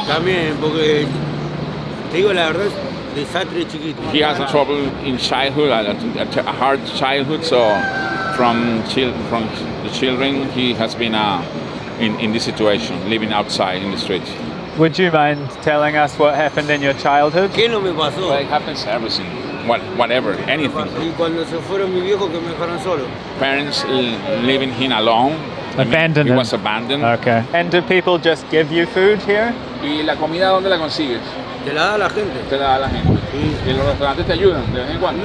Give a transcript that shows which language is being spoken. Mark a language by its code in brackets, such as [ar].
[es] También, porque te digo la verdad, desastre chiquito. [en] He has a trouble in childhood, a hard childhood. So from the children, he has been in this situation, living outside in the street. Would you mind telling us what happened in your childhood? [es] ¿Qué no me pasó? [en] Well, it happens everything. Whatever, anything. Parents leaving him alone. Abandoned. He was abandoned. Okay. And do people just give you food here? [es] ¿Y la comida dónde la consigues? Te la da la gente. Te la da la gente. ¿Y los restaurantes te ayudan de vez en cuando?